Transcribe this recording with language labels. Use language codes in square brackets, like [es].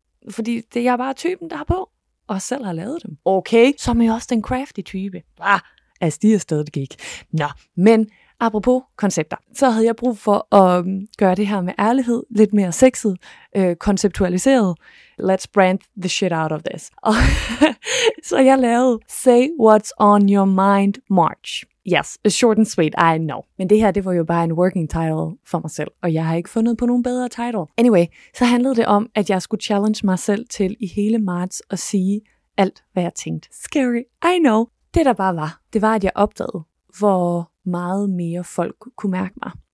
[da] Fordi det er jeg bare typen, der har på, og selv har lavet dem. Okay, så er man jo også den crafty type. Altså, de er stadig gik. Nå, men apropos koncepter, så havde jeg brug for at gøre det her med ærlighed lidt mere sexet, konceptualiseret. [en] Let's brand the shit out of this. [da] Og så jeg lavede [en] Say What's On Your Mind March. Yes, short and sweet, I know. [da] Men det her, det var jo bare en [en] working title [da] for mig selv, og jeg har ikke fundet på nogen bedre title. Anyway, så handlede det om, at jeg skulle challenge mig selv til i hele marts at sige alt, hvad jeg tænkte. [en] Scary, I know. [da] Det, der bare var, det var, at jeg opdagede, hvor meget mere folk kunne mærke mig.